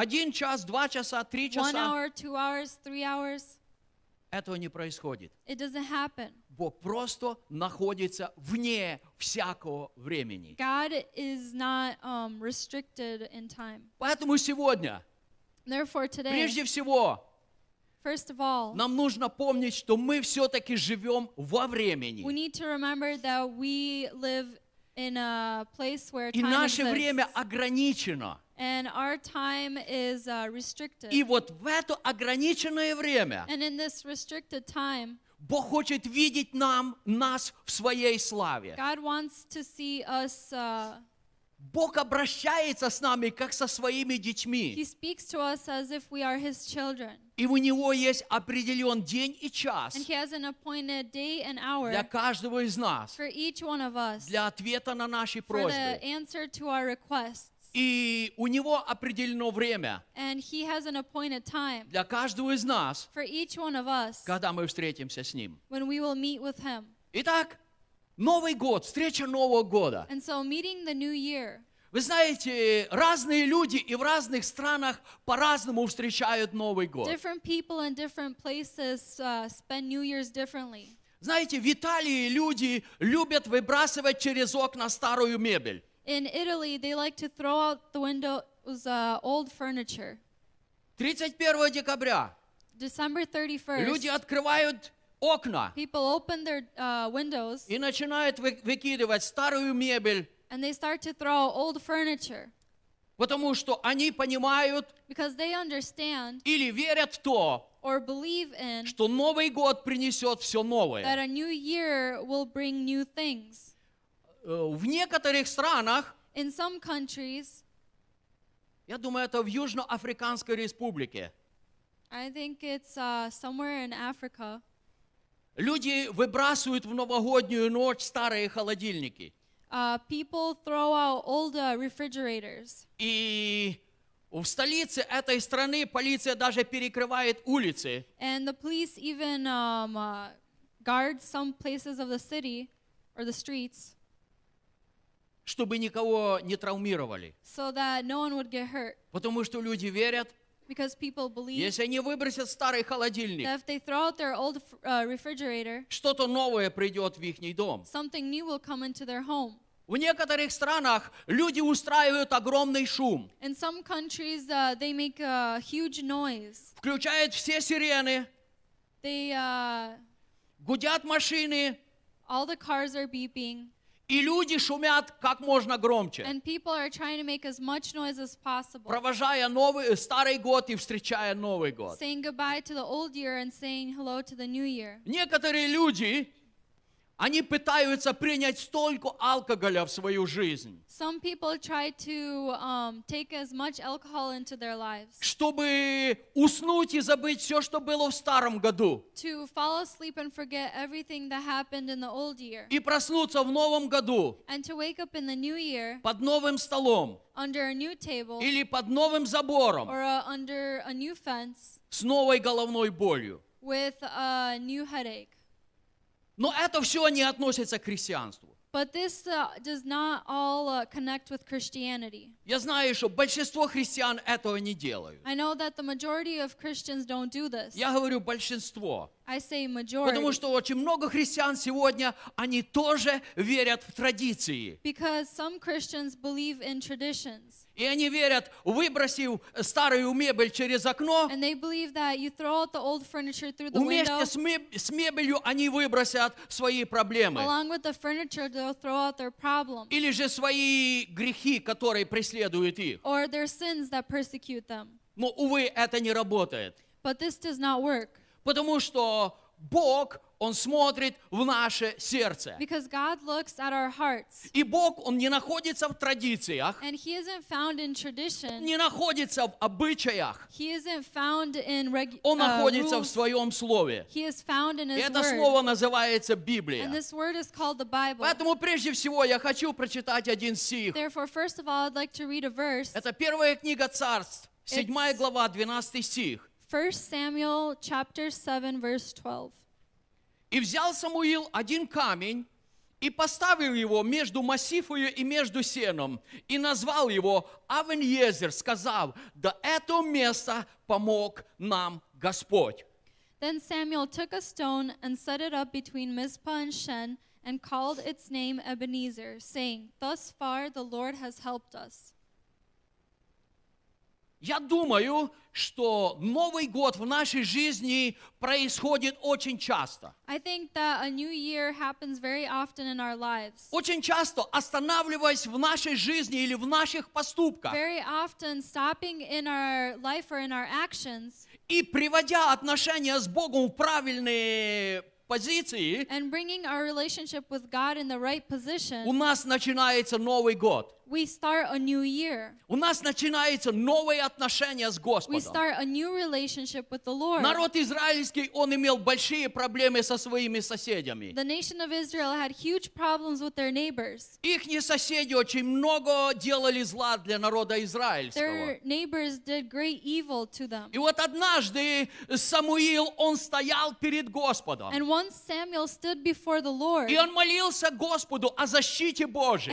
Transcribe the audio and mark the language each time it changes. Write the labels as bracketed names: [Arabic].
[Russian] Один час, два часа, три часа. [English] One hour, 2 hours, 3 hours. [Russian] Этого не происходит. [English] It doesn't happen. [Russian] Бог просто находится вне всякого времени. [English] God is not restricted in time. [Russian] Поэтому сегодня, [English] therefore today, [Russian] прежде всего, [English] first of all, [Russian] нам нужно помнить, что мы все-таки живем во времени. [English] We need to remember that we live in a place where time [Russian] и наше [English] exists. [Russian] Время ограничено. [English] And our time is restricted. [Russian] И вот в это ограниченное время, [English] and in this restricted time, [Russian] Бог хочет видеть нам, нас в своей славе. [English] God wants to see us, [Russian] Бог обращается с нами, как со своими детьми. [English] He speaks to us as if we are his children. [Russian] И у Него есть определен день и час, [English] and he has an appointed day and hour, [Russian] для каждого из нас, [English] for each one of us, [Russian] для ответа на наши [English] for [Russian] просьбы, [English] the answer to our requests. [Russian] И у Него определено время для каждого из нас, [English] us, [Russian] когда мы встретимся с Ним. [English] When we will meet with him. [Russian] Итак, Новый год, встреча Нового года. [English] And so, meeting the new year. [Russian] Вы знаете, разные люди и в разных странах по-разному встречают Новый год. [English] Different people in different places spend New Year's differently. [Russian] Знаете, в Италии люди любят выбрасывать через окна старую мебель. [English] In Italy, they like to throw out the windows old furniture. [Russian] 31 декабря. [English] December 31st. [Russian] Люди открывают окна. [English] People open their windows. [Russian] И начинают выкидывать старую мебель. [English] And they start to throw out old furniture. [Russian] Потому что они понимают. [English] Because they understand. [Russian] Или верят в то. [English] Or believe in. [Russian] Что Новый год принесет все новое. [English] That a new year will bring new things. [Russian] В некоторых странах, [English] in some countries, [Russian] я думаю, это в Южноафриканской республике, [English] I think it's, somewhere in Africa, [Russian] люди выбрасывают в новогоднюю ночь старые холодильники. [English] People throw out old refrigerators. [Russian] И в столице этой страны полиция даже перекрывает улицы. [English] And the police even guard some places of the city or the streets. [Russian] Чтобы никого не травмировали. [English] So that no one would get hurt. [Russian] Потому что люди верят, [English] because people believe, [Russian] если они выбросят старый холодильник, [English] that if they throw out their old refrigerator, [Russian] что-то новое придет в их дом. [English] Something new will come into their home. [Russian] В некоторых странах люди устраивают огромный шум. [English] In some countries, they make a huge noise. [Russian] Включают все сирены. [English] They, [Russian] гудят машины. [English] All the cars are beeping. [Russian] И люди шумят как можно громче. [English] And people are trying to make as much noise as possible. [Russian] Провожая новый, старый год и встречая новый год. [English] Saying goodbye to the old year and saying hello to the new year. [Russian] Некоторые люди, они пытаются принять столько алкоголя в свою жизнь. [English] Some people try to take as much alcohol into their lives. [Russian] Чтобы уснуть и забыть все, что было в старом году. [English] To fall asleep and forget everything that happened in the old year. [Russian] И проснуться в новом году. [English] And to wake up in the new year. [Russian] Под новым столом. [English] Under a new table. [Russian] Или под новым забором. [English] Or under a new fence. [Russian] С новой головной болью. [English] With a new headache. [Russian] Но это все не относится к христианству. [English] But this does not all connect with Christianity. [Russian] Я знаю, что большинство христиан этого не делают. [English] I know that the majority of Christians don't do this. [Russian] Я говорю большинство. [English] I say majority. [Russian] Потому что очень много христиан сегодня, они тоже верят в традиции. [English] Because some Christians believe in traditions. [Russian] И они верят, выбросив старую мебель через окно. [English] And they believe that you throw out the old furniture through the [Russian] вместе [English] window. [Russian] Вместе с мебелью они выбросят свои проблемы. [English] Along with the furniture, they'll throw out their problems. [Russian] Или же свои грехи, которые преследуют их. [English] Or their sins that persecute them. [Russian] Но, увы, это не работает. [English] But this does not work. [Russian] Потому что Бог, Он смотрит в наше сердце. [English] Because God looks at our hearts. [Russian] И Бог, Он не находится в традициях. [English] And He isn't found in tradition. [Russian] Не находится в обычаях. [English] He isn't found in rules. [Russian] Он находится в Своем Слове. [English] He is found in His Word. [Russian] Это Слово называется Библия. [English] And this word is called the Bible. [Russian] Поэтому прежде всего я хочу прочитать один стих. [English] Therefore, first of all, I'd like to read a verse. [Russian] Это первая книга Царств, 7 глава, 12 стих. [English] 1 Samuel chapter 7, verse 12. [Russian] И взял Самуил один камень и поставил его между массифою и между сеном, и назвал его Авен-Езер, сказав, да это место помог нам Господь. [English] Then Samuel took a stone and set it up between Mizpah and Shen and called its name Ebenezer, saying, thus far the Lord has helped us. [Russian] Я думаю, что Новый год в нашей жизни происходит очень часто. [English] I think that a new year happens very often in our lives. [Russian] Очень часто, останавливаясь в нашей жизни или в наших поступках. [English] Very often stopping in our life or in our actions. [Russian] И приводя отношения с Богом в правильные позиции. [English] And bringing our relationship with God in the right position. [Russian] У нас начинается Новый год. [English] We start a new year. [Russian] У нас начинается новые отношения с Господом. [English] We start a new relationship with the Lord. [Russian] Народ израильский, он имел большие проблемы со своими соседями. [English] The nation of Israel had huge problems with their neighbors. [Russian] Ихние соседи очень много делали зла для народа израильского. [English] Their neighbors did great evil to them. [Russian] И вот однажды Самуил, он стоял перед Господом. [English] And once Samuel stood before the Lord. [Russian] И он молился Господу о защите Божьей.